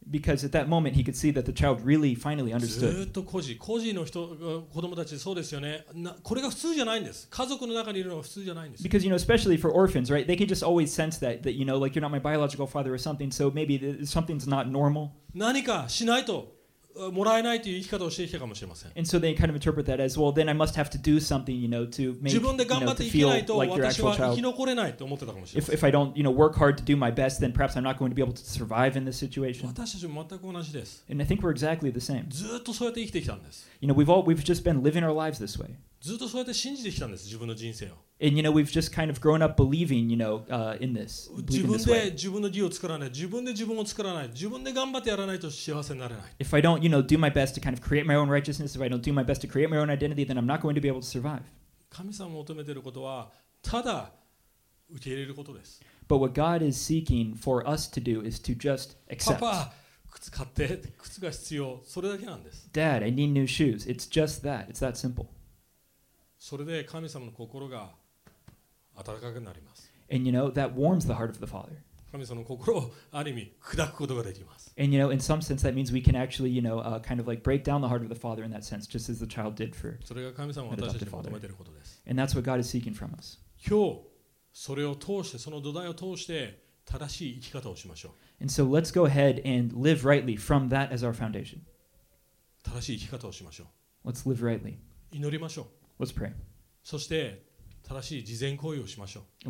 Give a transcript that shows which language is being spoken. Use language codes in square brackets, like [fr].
[en] Because at that moment, he could see that the child really finally understood. [ja] ずっと孤児の人、子供たちそうですよね。これが普通じゃないんです。家族の中にいるのが普通じゃないんです。 [en] Because, you know, especially for orphans, right? They can just always sense that, you know, like, you're not my biological father or something, so maybe something's not normal. [ja] 何かしないと。もらえないという生き方をしてきたかもしれません。 [en] And so they kind of interpret that as, well, then I must have to do something, you know, to make, you know, to feel like your actual child. [ja] 自分で頑張っていけないと私は生き残れないと思ってたかもしれません。 [en] If I don't, you know, work hard to do my best, then perhaps I'm not going to be able to survive in this situation. [ja] 私たちも全く同じです。 [en] And I think we're exactly the same. [ja] ずっとそうやって生きてきたんです。 [en] You know, we've just been living our lives this way. [ja] ずっとそうやって信じてきたんです、自分の人生を。 [en] And, you know, we've just kind of grown up believing, you know, in this. [ja] 自分で自分の義を作らない。自分で自分を作らない。自分で頑張ってやらないと幸せになれない。 [en] If I don't, you know, do my best to kind of create my own righteousness, if I don't do my best to create my own identity, then I'm not going to be able to survive. [ja] 神様を求めていることは、ただ受け入れることです。 [en] But what God is seeking for us to do is to just accept. [ja] パパ、靴買って。靴が必要。それだけなんです。 [en] Dad, I need new shoes. It's just that. It's that simple. [ja] それで神様の心が温かくなります。 [en] And you know, that warms the heart of the Father. [ja] 神様の心をある意味砕くことができます。 [en] And you know, in some sense, that means we can actually, you know, kind of like break down the heart of the Father in that sense, just as the child did for [ja] それが神様は私たちに求めていることです。 [en] And that's what God is seeking from us. [ja] 今日、それを通して、その土台を通して、正しい生き方をしましょう。 [en] And so let's go ahead and live rightly from that as our foundation. [ja] 正しい生き方をしましょう。 [en] Let's live rightly. [ja] 祈りましょう。 [en] Let's pray. [ja] そして正しい慈善行為をしましょう。